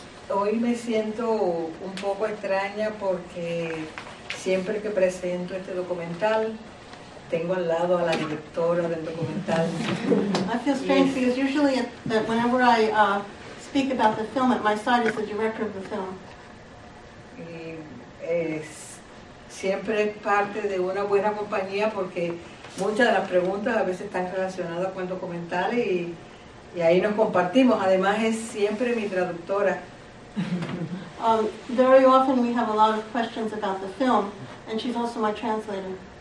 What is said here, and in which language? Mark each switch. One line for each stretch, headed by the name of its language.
Spanish: hoy me siento un poco extraña porque siempre que presento este documental tengo al lado a la directora del documental.
English: I feel strange because usually that whenever I speak about the film, at my side is the director of the film.
Spanish: Y es, siempre es parte de una buena compañía porque muchas de las preguntas a veces están relacionadas con documentales y ahí nos compartimos. Además es siempre mi traductora.
English: Very often we have a lot of questions about the film, and she's also my translator.